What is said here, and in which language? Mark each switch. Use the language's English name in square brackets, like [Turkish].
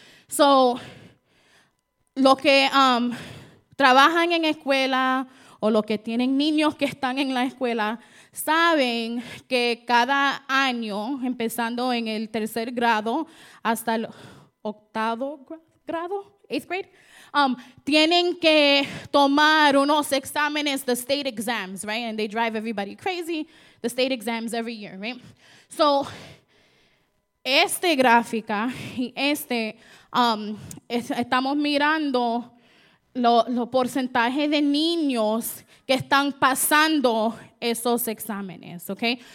[Spanish] So, los que trabajan en escuela o los que tienen niños que están en la escuela saben que cada año, empezando en el tercer grado hasta el octavo grado, [English] eighth grade, [Spanish] tienen que tomar unos exámenes, [English] the state exams, [Spanish] right? [English] And they drive everybody crazy, the state exams every year, right? [Spanish] So, este gráfica y este, estamos mirando lo porcentaje de niños que están pasando esos exámenes, okay?